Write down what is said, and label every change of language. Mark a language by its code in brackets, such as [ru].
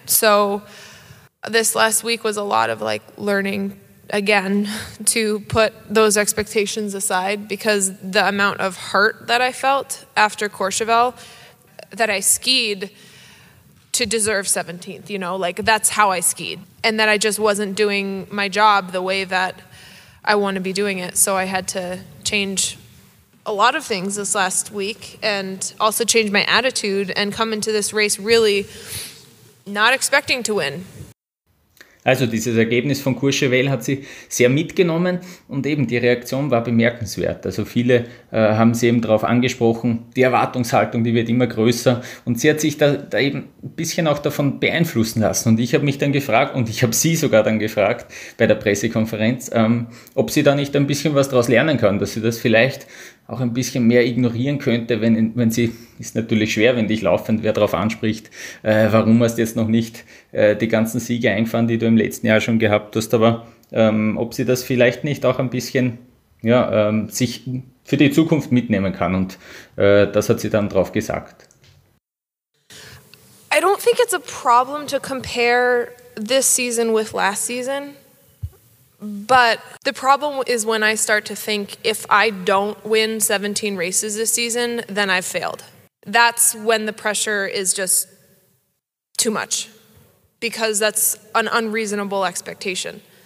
[en] So this last week was a lot of like learning again to put those expectations aside, because the amount of hurt that I felt after Courchevel, that I skied to deserve 17th, you know, like that's how I skied, and that I just wasn't doing my job the way that I want to be doing it. So I had to change a lot of things this last week and also change my attitude and come into this race really not expecting to win. [de] Also dieses Ergebnis von Courchevel hat sie sehr mitgenommen und eben die Reaktion war bemerkenswert. Also viele haben sie eben darauf angesprochen, die Erwartungshaltung, die wird immer größer, und sie hat sich da eben ein bisschen auch davon beeinflussen lassen. Und ich habe mich dann gefragt, und ich habe sie sogar dann gefragt bei der Pressekonferenz, ob sie da nicht ein bisschen was daraus lernen kann, dass sie das vielleicht auch ein bisschen mehr ignorieren könnte, wenn sie, ist natürlich schwer, wenn dich laufend wer darauf anspricht, warum hast du jetzt noch nicht die ganzen Siege eingefahren, die du im letzten Jahr schon gehabt hast, aber ob sie das vielleicht nicht auch ein bisschen sich für die Zukunft mitnehmen kann, und das hat sie dann drauf gesagt. [en] I don't think it's a problem to compare this season with last season. But the problem is when I start to think, if I don't win 17 races this season, then I've failed. That's when the pressure is just too much, because that's an unreasonable expectation.